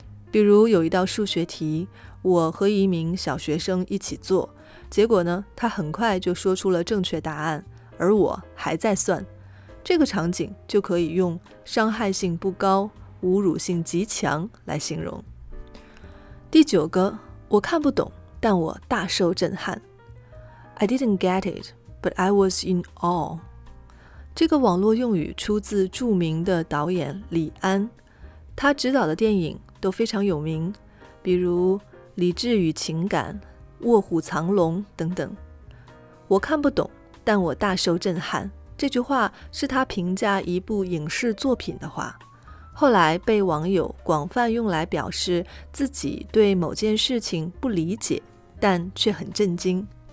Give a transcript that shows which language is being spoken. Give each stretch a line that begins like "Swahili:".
Chinese: 比如有一道数学题，我和一名小学生一起做，结果呢，他很快就说出了正确答案，而我还在算。这个场景就可以用伤害性不高，侮辱性极强来形容。第九个，我看不懂，但我大受震撼。
English: I didn't get it,But I was in awe。
Chinese: 这个网络用语出自著名的导演李安，他执导的电影都非常有名，比如《理智与情感》《卧虎藏龙》等等。我看不懂，但我大受震撼，这句话是他评价一部影视作品的话，后来被网友广泛用来表示自己对某件事情不理解，但却很震惊。